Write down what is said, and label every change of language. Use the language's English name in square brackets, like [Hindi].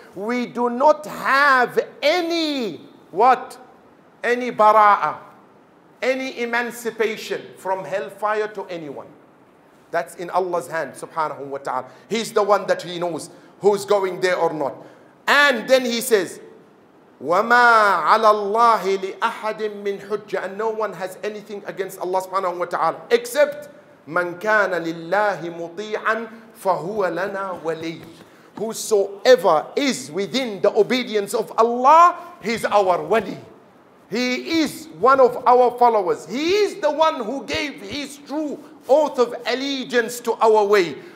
[English] We do not have any, what? Any bara'ah, any emancipation from hellfire to anyone. That's in Allah's hand, subhanahu wa ta'ala. He's the one that he knows who's going there or not. And then he says, [Arabic] وَمَا عَلَى اللَّهِ لِأَحَدٍ مِّنْ حُجَّةٍ. [English] And no one has anything against Allah subhanahu wa ta'ala, except [Arabic] مَنْ كَانَ لِلَّهِ مُطِيعًا فَهُوَ لَنَا وَلِيٌّ. [English] Whosoever is within the obedience of Allah, he's our wali. He is one of our followers. He is the one who gave his true oath of allegiance to our way.